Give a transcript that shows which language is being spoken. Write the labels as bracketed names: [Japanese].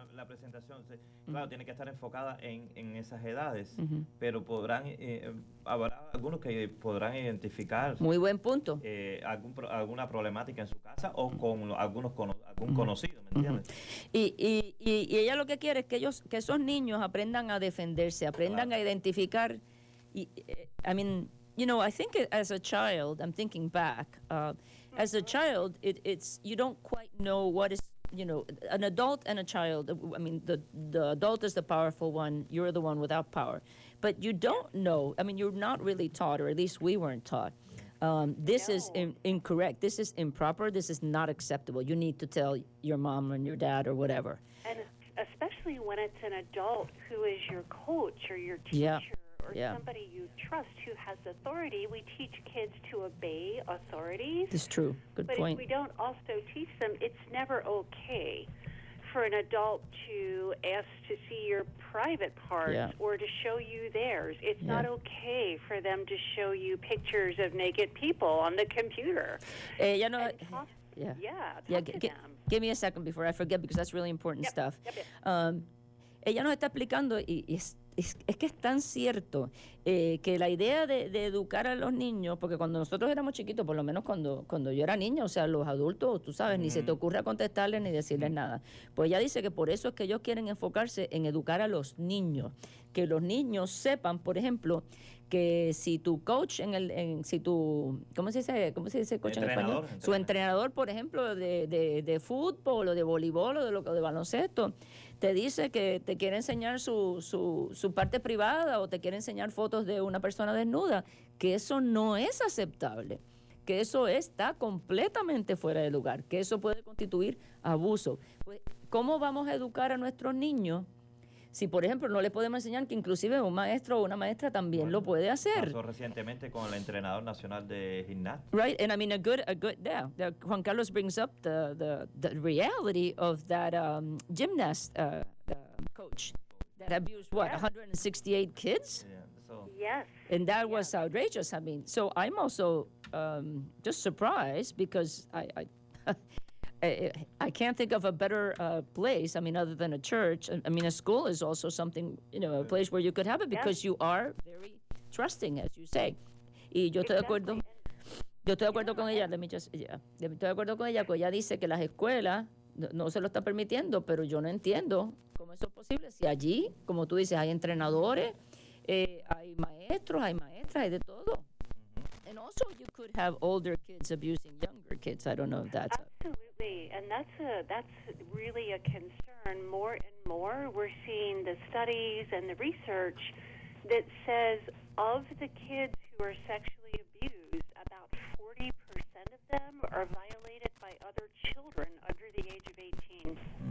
[Spanish] La presentación, claro, tiene que estar enfocada en esas edades, pero podrán, habrá algunos que podrán identificar. Muy buen punto. Alguna problemática en su casa o con algún conocido, ¿me entiendes? Y ella lo que quiere es que ellos, que esos niños aprendan a defenderse, aprendan a identificar. [English] I think as a child, I'm thinking back. As a child, it's you don't quite know what is, an adult and a child. I mean, the adult is the powerful one. You're the one without power. But you don't know. I mean, you're not really taught, or at least we weren't taught. This is incorrect. This is improper. This is not acceptable. You need to tell your mom and your dad or whatever. And especially when it's an adult who is your coach or your teacher. Yeah. Or somebody you trust who has authority. We teach kids to obey authorities. It's true. Good but point. But if we don't also teach them, it's never okay for an adult to ask to see your private parts or to show you theirs. It's not okay for them to show you pictures of naked people on the computer. Give me a second before I forget, because that's really important stuff. [Spanish] Ella nos está explicando y es que es tan cierto que la idea de educar a los niños, porque cuando nosotros éramos chiquitos, por lo menos cuando yo era niña, o sea, los adultos, tú sabes, ni se te ocurre contestarles ni decirles nada. Pues ella dice que por eso es que ellos quieren enfocarse en educar a los niños. Que los niños sepan, por ejemplo, que si tu coach su entrenador, por ejemplo, de fútbol o de voleibol o de baloncesto, te dice que te quiere enseñar su parte privada o te quiere enseñar fotos de una persona desnuda, que eso no es aceptable, que eso está completamente fuera de lugar, que eso puede constituir abuso. Pues, ¿cómo vamos a educar a nuestros niños si, por ejemplo, no les podemos enseñar que inclusive un maestro o una maestra también lo puede hacer? Pasó recientemente con el entrenador nacional de gimnasia. [English] Right, and I mean a good Juan Carlos brings up the reality of that gymnast coach that abused what 168 kids. Yes. And that was outrageous. I mean, so I'm also just surprised because I can't think of a better place, I mean, other than a church. I mean, a school is also something, a place where you could have it because you are very trusting, as you say. [Spanish] Y yo estoy de acuerdo. Yo estoy de acuerdo con ella. Estoy de acuerdo con ella, porque ella dice que las escuelas no se lo están permitiendo, pero yo no entiendo cómo eso es posible. Si allí, como tú dices, hay entrenadores, hay maestros, hay maestras, hay de todo. [English] And also, you could have older kids abusing younger kids. I don't know if that's absolutely, and that's really a concern. More and more, we're seeing the studies and the research that says of the kids who are sexually abused, about 40% of them are violated by other children under the age of 18.